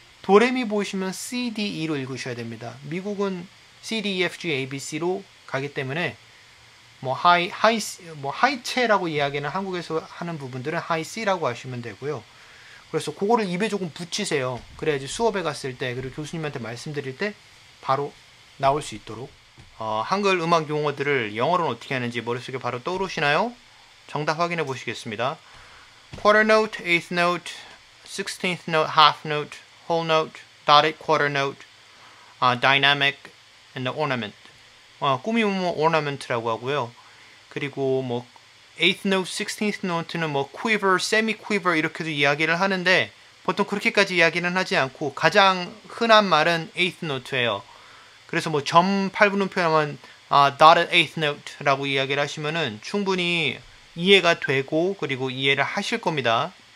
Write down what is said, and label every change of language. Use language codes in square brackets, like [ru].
[ko] 도레미 보시면 CDE로 읽으셔야 됩니다. 미국은 CDEFG ABC로 가기 때문에 뭐 하이체라고 이야기는 한국에서 하는 부분들은 하이C라고 하시면 되고요. 그래서 그거를 입에 조금 붙이세요. 그래야지 수업에 갔을 때 그리고 교수님한테 말씀드릴 때 바로 나올 수 있도록. 한글 음악 용어들을 영어로는 어떻게 하는지 머릿속에 바로 떠오르시나요? 정답 확인해 보시겠습니다. [en] Quarter note, eighth note, sixteenth note, half note, whole note, dotted quarter note, dynamic and ornament. [ko] 꾸밈은 ornament라고 하고요. 그리고 뭐 eighth note, sixteenth note는 뭐 quiver, semi quiver 이렇게도 이야기를 하는데 보통 그렇게까지 이야기는 하지 않고 가장 흔한 말은 eighth note예요. 그래서 뭐점 8분음표라면 dotted eighth note라고 이야기를 하시면은 충분히 이해가 되고, 그리고 이해를 하실 겁니다.